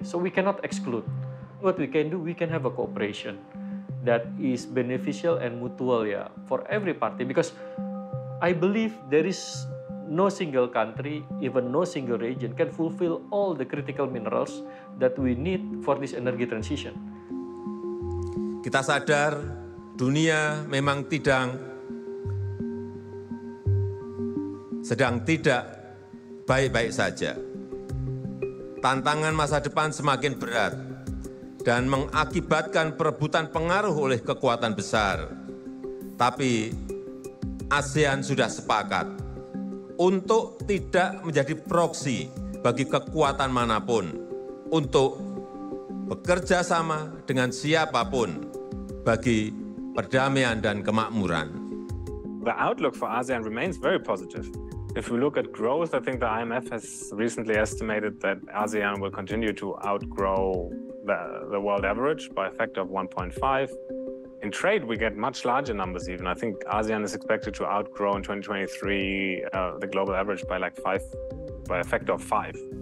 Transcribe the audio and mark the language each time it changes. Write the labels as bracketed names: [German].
[English] So we cannot exclude. What we can do, we can have a cooperation that is beneficial and mutual, yeah, for every party. Because I believe there is no single country, even no single region, can fulfill all the critical minerals that we need for this energy transition. [Indonesian] Kita sadar dunia memang sedang tidak baik-baik saja. Tantangan masa depan semakin berat dan mengakibatkan perebutan pengaruh oleh kekuatan besar. Tapi ASEAN sudah sepakat untuk tidak menjadi proksi bagi kekuatan manapun, untuk bekerja sama dengan siapapun bagi perdamaian dan kemakmuran. [English] The outlook for ASEAN remains very positive. If we look at growth, I think the IMF has recently estimated that ASEAN will continue to outgrow the world average by a factor of 1.5. In trade, we get much larger numbers even. I think ASEAN is expected to outgrow in 2023 the global average by a factor of 5.